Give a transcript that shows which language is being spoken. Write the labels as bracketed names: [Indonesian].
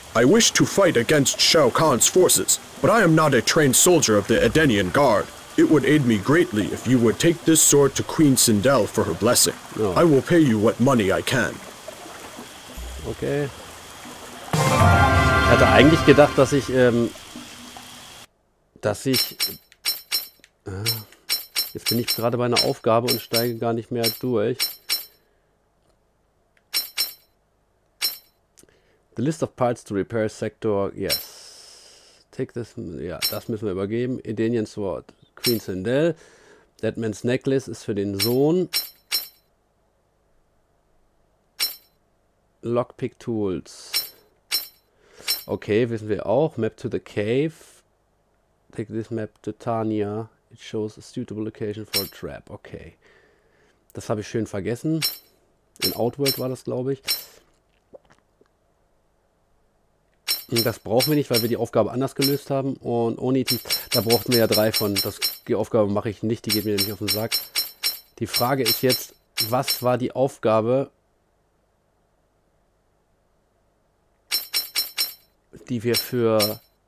[English] I wish to fight against Shao Kahn's forces, but I am not a trained soldier of the Edenian Guard. It would aid me greatly if you would take this sword to Queen Sindel for her blessing. Oh. I will pay you what money I can. Okay. [German] Ich hatte eigentlich gedacht, dass ich, jetzt bin ich gerade bei einer Aufgabe und steige gar nicht mehr durch. [English] The list of parts to repair sector, yes. [German] Take this, ja, das müssen wir übergeben. Edenian Sword, Queen Sindel. That man's necklace ist für den Sohn. [English] Lockpick Tools. Okay, wissen wir auch. Map to the cave. Take this map to Tania. It shows a suitable location for a trap. Okay. [German] Das habe ich schön vergessen. In Outworld war das, glaube ich. Das brauchen wir nicht, weil wir die Aufgabe anders gelöst haben. Und ohne Items, da brauchten wir ja drei von. Die Aufgabe mache ich nicht, die geht mir nämlich auf den Sack. Die Frage ist jetzt, was war die Aufgabe, die wir für...